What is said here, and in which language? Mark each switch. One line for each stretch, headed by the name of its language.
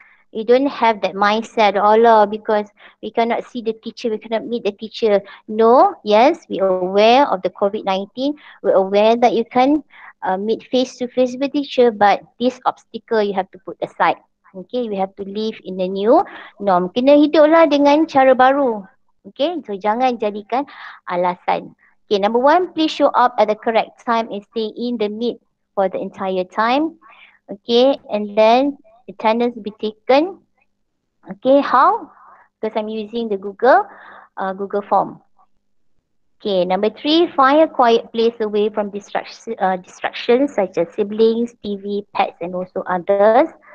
English: You don't have that mindset, Allah, because we cannot see the teacher, we cannot meet the teacher. No, yes, we are aware of the COVID-19. We're aware that you can meet face-to-face with teacher, but this obstacle you have to put aside. Okay, we have to live in the new norm.
Malay: Kena hiduplah dengan cara baru. Okay, so jangan jadikan alasan.
English: Okay, number one, please show up at the correct time and stay in the meet for the entire time. Okay, and then attendance will be taken. Okay, how? Because I'm using the Google form. Okay, number three, find a quiet place away from distractions such as siblings, TV, pets and also others.